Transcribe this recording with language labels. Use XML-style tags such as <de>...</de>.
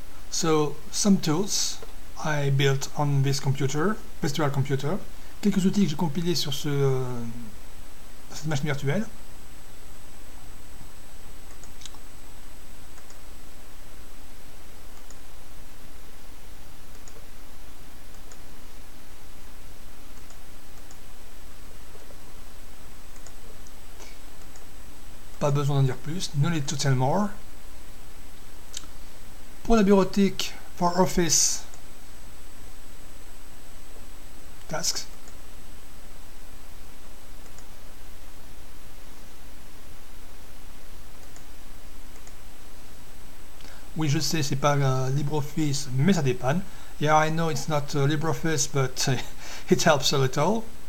<en>So, some tools I built on this computer, virtual computer.</en> <fr>Quelques outils que j'ai compilés sur cette machine virtuelle. Pas besoin d'en dire plus,</fr> <en>no need to tell more.</en> <fr>Pour la bureautique,</fr> <en>for office tasks.</en> <fr>Oui, je sais, c'est pas LibreOffice, mais ça dépanne.</fr> <en>Yeah, I know it's not LibreOffice, but it helps a little.</en>